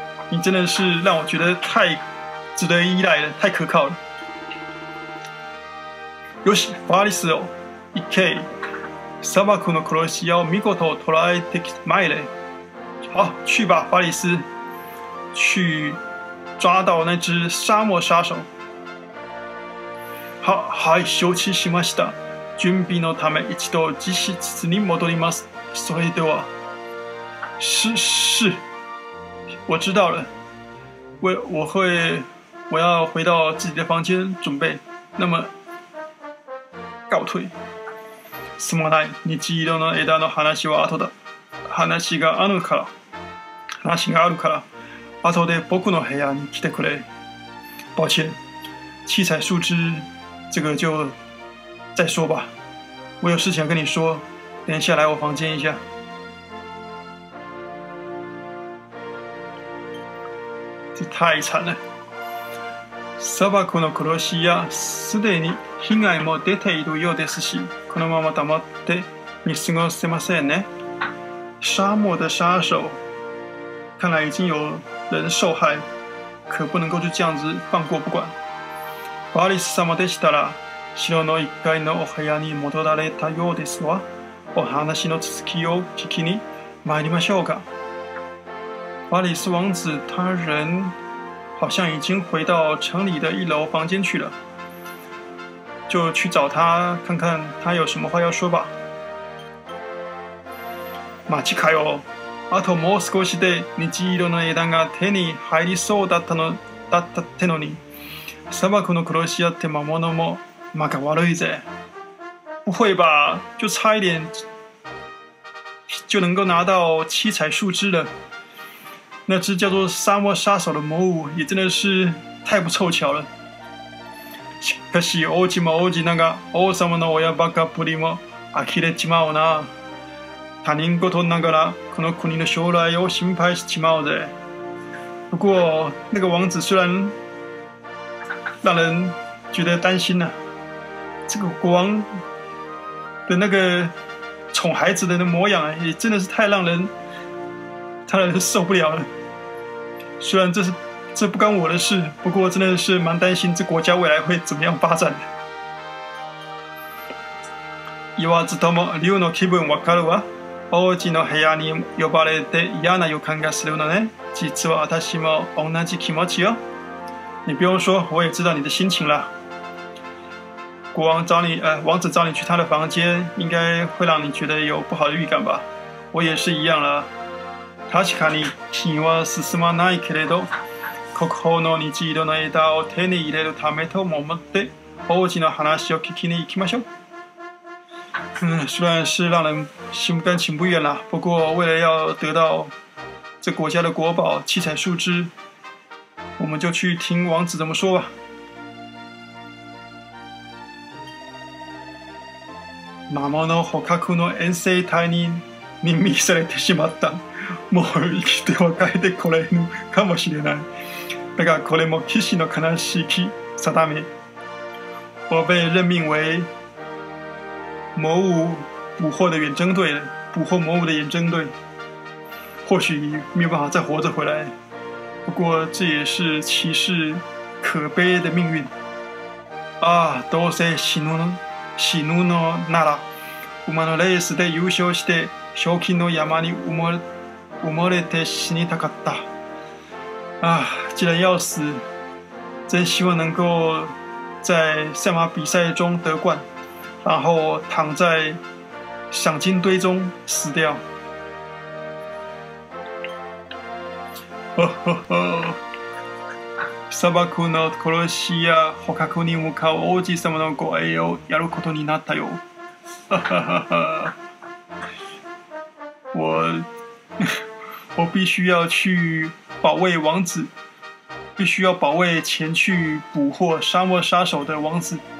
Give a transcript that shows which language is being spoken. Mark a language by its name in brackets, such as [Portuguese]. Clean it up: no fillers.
[Chinese] 你真的是让我觉得太值得依赖了，太可靠了。 [Japanese] よし、ファリスよ、行け。砂漠の殺し屋を見事捉えてきまいれ。 [Chinese] 好，去吧，ファリス。去抓到那只沙漠杀手。 [Japanese] は、はい、承知しました。準備のため一度実施室に戻ります。それでは。 [Chinese] 是，我知道了。我要回到自己的房间准备。那么，告退。 [Japanese] すまない。日色の枝の話は後だ。話があるから。後で僕の部屋に来てくれ。 [Chinese] 抱歉，七彩树枝，这个就再说吧。我有事情要跟你说，等一下来我房间一下。这太惨了， [Japanese] 砂漠の殺し屋、すでに被害も出ているようですし、このまま黙って見過ごせませんね。 [Chinese] 沙漠的杀手，看来已经有人受害，可不能够就这样子放过不管。 [Japanese] バリス様でしたら、城の1階のお部屋に戻られたようですわ。お話の続きを聞きに参りましょうか。 [Chinese] 巴里斯王子他人好像已经回到城里的一楼房间去了，就去找他看看他有什么话要说吧。 [Japanese] 待ちかよ。あともう少しで虹色の枝が手に入りそうだったのだったってのに、砂漠の殺し屋って魔物もまか悪いぜ。 [Chinese] 不会吧？就差一点就能够拿到七彩树枝了。那只叫做沙漠杀手的魔物也真的是太不凑巧了。 [Japanese] しかし王子も王子なが王様の親バカぶりも呆れちまうな。他人事ながらこの国の将来を心配しちまうぜ。 [Chinese] 不过那个王子虽然让人觉得担心了，这个国王的那个宠孩子的那模样也真的是太让人受不了了。虽然这不关我的事，不过真的是蛮担心这国家未来会怎么样发展的。 [Japanese] 言わずとも龍の気分わかるわ。王子の部屋に呼ばれて嫌な予感がするのね。実は私も同じ気持ちよ。 [Chinese] 你不用说，我也知道你的心情了。国王找你，王子找你去他的房间，应该会让你觉得有不好的预感吧？我也是一样了。 [Japanese] 確かに君は進まないけれど、国宝の虹色の枝を手に入れるためとも思って王子の話を聞きに行きましょう。 [Chinese] 虽然是让人心甘情不愿啦，不过为了要得到这国家的国宝七彩树枝，我们就去听王子怎么说吧。 [Japanese] 魔物捕獲の遠征隊に任命されてしまった。もう生きては帰ってこれぬかもしれない。だがこれも騎士の悲しき定め。 [Chinese] 我被任命为魔物捕获的远征队，捕获魔物的远征队。或许没有办法再活着回来，不过这也是骑士可悲的命运。 [Japanese] 啊，どうせ死ぬのなら、馬のレースで優勝して賞金の山に埋もれて死にたかった。 [Chinese] 啊，既然要死，真希望能够在赛马比赛中得冠，然后躺在赏金堆中死掉。 [Japanese] 砂漠の殺し屋捕獲に向かう王子様の護衛をやることになったよ。 [Chinese] 我必须要去保卫王子，必须要保卫前去捕获沙漠杀手的王子。